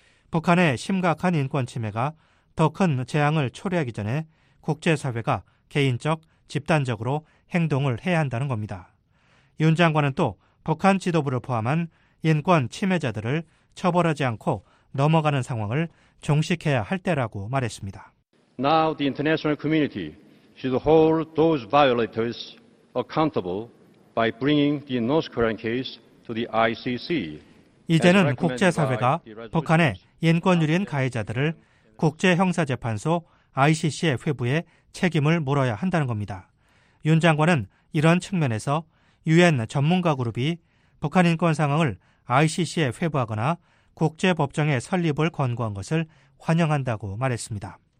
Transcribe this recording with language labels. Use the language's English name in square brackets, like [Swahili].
[Korean] 북한의 심각한 인권 침해가 더 큰 재앙을 초래하기 전에 국제사회가 개인적, 집단적으로 행동을 해야 한다는 겁니다. 윤 장관은 또 북한 지도부를 포함한 인권 침해자들을 처벌하지 않고 넘어가는 상황을 종식해야 할 때라고 말했습니다. [English] Now the international community should hold those violators accountable by bringing the North Korean case to the ICC. [Korean] 이제는 국제사회가 북한의 인권유린 가해자들을 국제형사재판소 ICC에 회부해 책임을 물어야 한다는 겁니다. 윤 장관은 이런 측면에서 유엔 전문가 그룹이 북한 인권 상황을 ICC에 회부하거나 국제법정에 설립을 권고한 것을 환영한다고 말했습니다.